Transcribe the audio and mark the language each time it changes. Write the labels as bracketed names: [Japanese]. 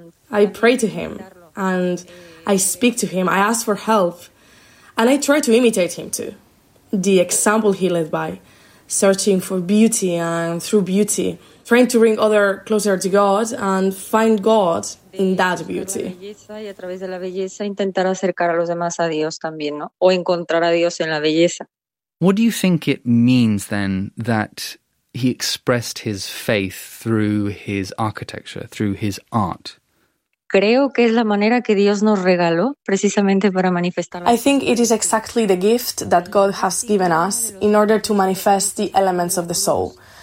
[English] I pray to him and I speak to him. I ask for help. And I try to imitate him too. The example he led by, searching for beauty and through beauty, trying to bring others closer to God and find God in that beauty. [Spanish] Y a través de la belleza intentar acercar a los demás a Dios también, ¿no? O encontrar a Dios en la belleza. [English] What do you think it means then that he expressed his faith through his architecture, through his art? [Spanish] Creo que es la manera que Dios nos regaló precisamente para manifestar. [English] I think it is exactly the gift that God has given us in order to manifest the elements of the soul.